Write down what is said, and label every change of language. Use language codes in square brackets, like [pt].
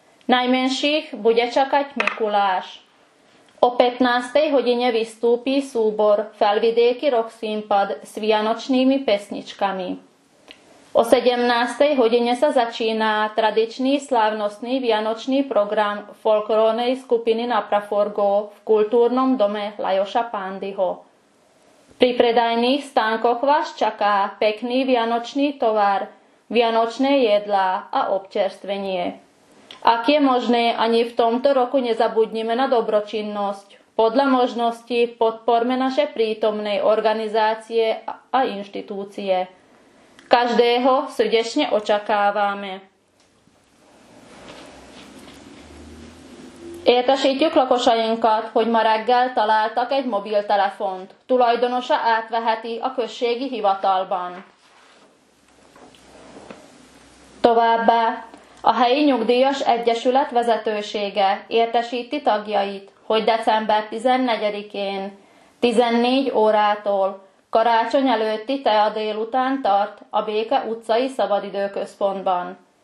[sk] Najmenších bude čakať Mikuláš. O 15. hodine vystúpi súbor Felvidéky Roxínpad s vianočnými pesničkami. O 17. hodine sa začína tradičný slávnostný vianočný program folklórnej skupiny na Praforgo v kultúrnom dome Lajoša Pándyho. Pri predajných stánkoch vás čaká pekný vianočný tovar, vianočné jedlá a občerstvenie. Ak je možné, ani v tomto roku nezabudnime na dobročinnosť. Podľa možnosti podporme naše prítomné organizácie a inštitúcie. Každého srdečne očakávame. [hu] Értesítjük lakosainkat, hogy ma reggel találtak egy mobiltelefont. Tulajdonosa átveheti a községi hivatalban. Továbbá, a helyi nyugdíjas egyesület vezetősége értesíti tagjait, hogy december 14-én 14 órától karácsony előtti tea délután tart a Béke utcai szabadidőközpontban.